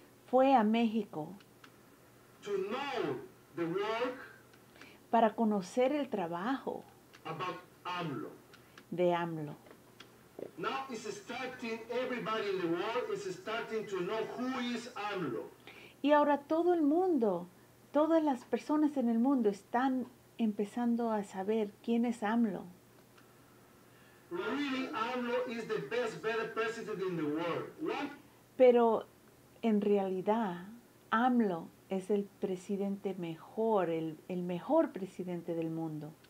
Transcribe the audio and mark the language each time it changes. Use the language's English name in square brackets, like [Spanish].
[Spanish] Fue a México. [English] To know the work. [Spanish] Para conocer el trabajo. [English] About AMLO. [Spanish] De AMLO. [English] Now it's starting, everybody in the world is starting to know who is AMLO. [Spanish] Y ahora todo el mundo, todas las personas en el mundo están empezando a saber quién es AMLO. [English] Really, AMLO is the best, better president in the world. What? [Spanish] Pero en realidad, AMLO es el presidente mejor, el mejor presidente del mundo.